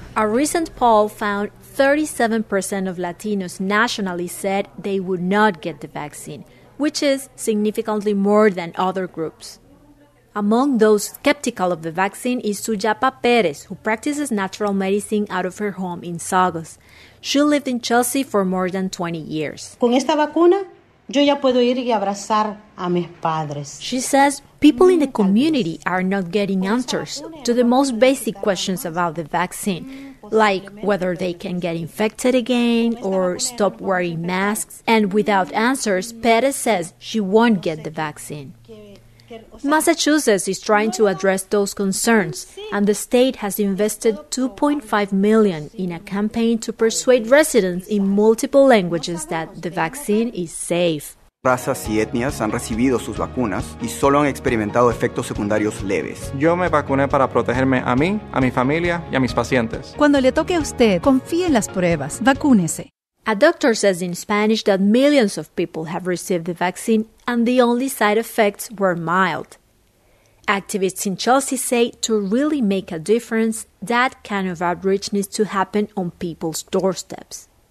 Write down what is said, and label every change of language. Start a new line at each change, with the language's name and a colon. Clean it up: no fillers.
English: A recent poll found 37% of Latinos nationally said they would not get the vaccine, which is significantly more than other groups. Among those skeptical of the vaccine is Suyapa Perez, who practices natural medicine out of her home in Sagos. She lived in Chelsea for more than 20 years.
Spanish: Con esta vacuna, yo ya puedo ir y abrazar a mis padres.
English: She says people in the community are not getting answers to the most basic questions about the vaccine, like whether they can get infected again or stop wearing masks. And without answers, Perez says she won't get the vaccine. Massachusetts is trying to address those concerns, and the state has invested $2.5 million in a campaign to persuade residents in multiple languages that the vaccine is safe.
Spanish: Razas y etnias han recibido sus vacunas y solo han experimentado efectos secundarios leves. Yo me vacuné para protegerme a mí, a mi familia y a mis pacientes. Cuando le toque a usted, confíe en las pruebas. Vacúnese.
English: A doctor says in Spanish that millions of people have received the vaccine and the only side effects were mild. Activists in Chelsea say to really make a difference, that kind of outreach needs to happen on people's doorsteps.